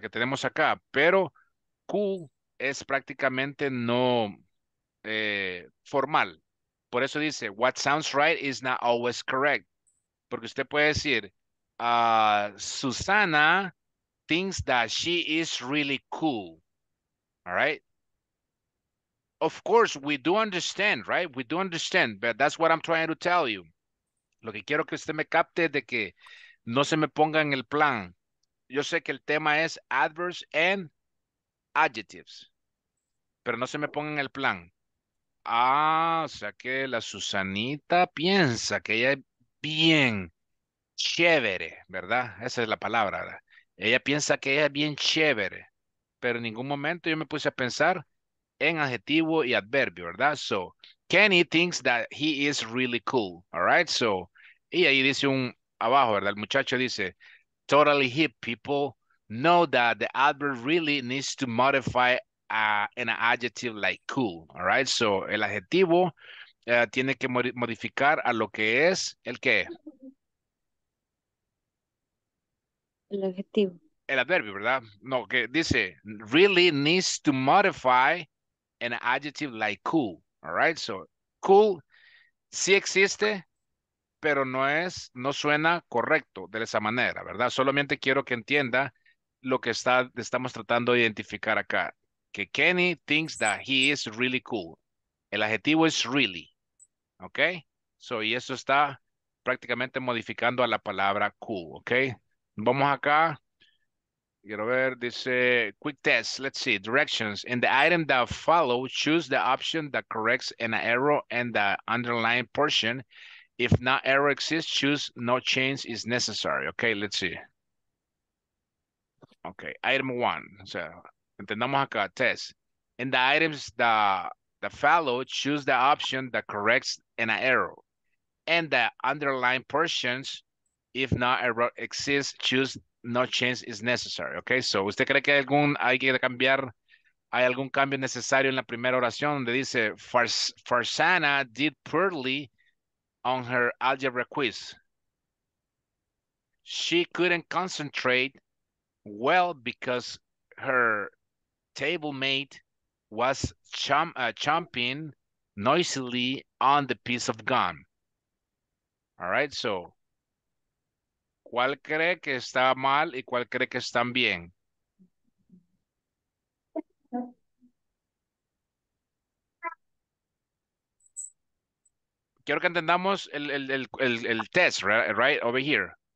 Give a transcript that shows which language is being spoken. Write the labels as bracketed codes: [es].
[es] Que tenemos acá, pero cool es prácticamente no formal. Por eso dice, what sounds right is not always correct. [en] Porque usted puede decir, Susana thinks that she is really cool. All right? Of course, we do understand, right? We do understand, but that's what I'm trying to tell you. [es] Lo que quiero que usted me capte de que no se me ponga en el plan. Yo sé que el tema es adverbs and adjectives. Pero no se me ponga en el plan. Ah, o sea que la Susanita piensa que ella es bien chévere, ¿verdad? Esa es la palabra, ¿verdad? Ella piensa que ella es bien chévere. Pero en ningún momento yo me puse a pensar en adjetivo y adverbio, ¿verdad? [en] So, Kenny thinks that he is really cool, all right? So, y ahí dice un abajo, ¿verdad? El muchacho dice, totally hip people know that the adverb really needs to modify in an adjective like cool, all right? [es] So, el adjetivo tiene que modificar a lo que es el qué? El adjetivo. [en] El adverbio, ¿verdad? No, que dice, really needs to modify an adjective like cool, all right? [es] So, cool sí existe, pero no suena correcto de esa manera, ¿verdad? Solamente quiero que entienda lo que estamos tratando de identificar acá. [en] Que Kenny thinks that he is really cool. [es] El adjetivo es really. ¿Ok? So, y eso está prácticamente modificando a la palabra cool. ¿Ok? Vamos acá. Quiero ver, dice, quick test. Let's see. Directions. [en] In the item that follows, choose the option that corrects an error in the underlying portion. If not error exists, choose no change is necessary. ¿Ok? Let's see. Ok. Item one. So, entendamos acá, test. In the items, the follow, choose the option that corrects an error. And the underlying portions, if not error exists, choose no change is necessary. [es] Okay, so, ¿usted cree que hay algún cambio necesario en la primera oración donde dice, Farsana did poorly on her algebra quiz. [en] She couldn't concentrate well because her table mate was chomping noisily on the piece of gum. [es] All right, so, ¿cuál cree que está mal y cuál cree que están bien? Quiero que entendamos el test, right over here.